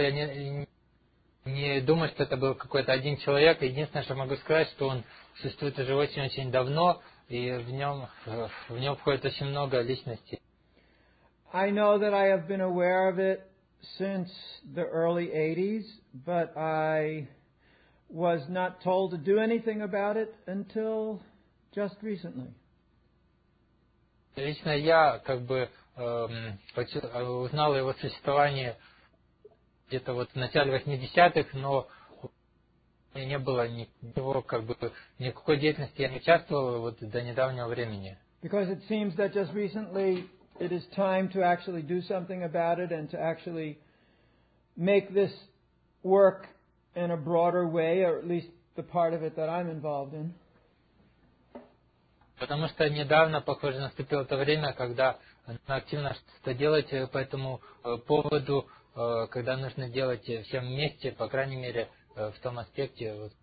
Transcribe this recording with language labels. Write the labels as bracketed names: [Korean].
[Russian] Я не думаю, что это был какой-то один человек. Единственное, что могу сказать, что он существует уже очень-очень давно, и в нем входит очень много личностей. [English] I know that I have been aware of it since the early 80s, but I was not told to do anything about it until just recently. [Russian] Лично я как бы узнал его существование где-то вот в начале 80-х, но у меня не было никакого, как бы, никакой деятельности я не участвовал вот до недавнего времени. [English] Because it seems that just recently it is time to actually do something about it and to actually make this work in a broader way, or at least the part of it that I'm involved in. [Russian] Потому что недавно, похоже, наступило то время, когда активно что-то делать по этому поводу, когда нужно делать всем вместе, по крайней мере, в том аспекте.